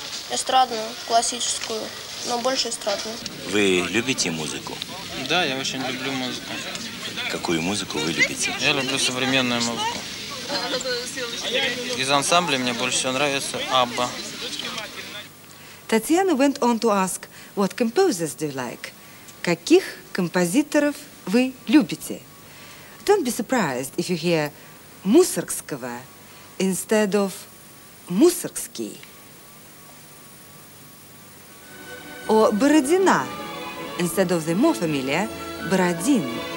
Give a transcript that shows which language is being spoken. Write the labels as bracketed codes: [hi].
[ru] Эстрадную, классическую. Но больше эстрадную. Вы любите музыку? Да, я очень люблю музыку. Какую музыку вы любите? Я люблю современную музыку. Из ансамбля мне больше всего нравится Абба. [en] Татьяна went on to ask, what composers do you like? [ru] каких композиторов вы любите. [en] Don't be surprised if you hear Мусоргского instead of Мусоргский. Or Бородина instead of the more familiar Бородин.